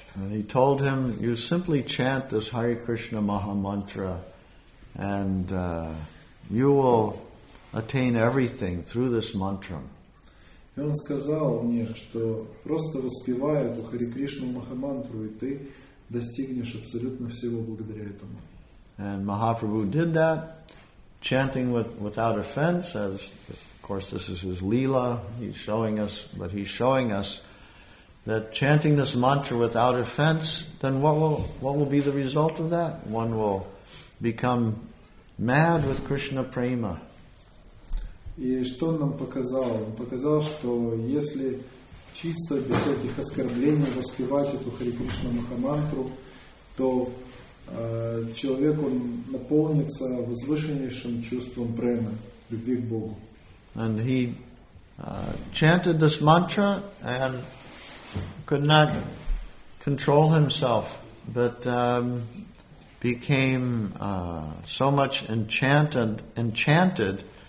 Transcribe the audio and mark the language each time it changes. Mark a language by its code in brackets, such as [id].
[en] And he told him, you simply chant this Hare Krishna Maha Mantra, and you will attain everything through this mantra. [ru] И он сказал мне, что просто воспевая эту Хари Кришну Махамантру, и ты достигнешь абсолютно всего благодаря этому. [en] And Mahaprabhu did that, chanting without offense, as of course this is his lila, he's showing us that chanting this mantra without offense, then what will be the result of that? One will become mad with Krishna prema. [ru] И что он нам показал? Он показал, что если чисто без всяких оскорблений воспевать эту Хари Кришна Махамантру, то человек он наполнится возвышеннейшим чувством премы, любви к Богу. [en] And he chanted this mantra and could not control himself, but became so much enchanted.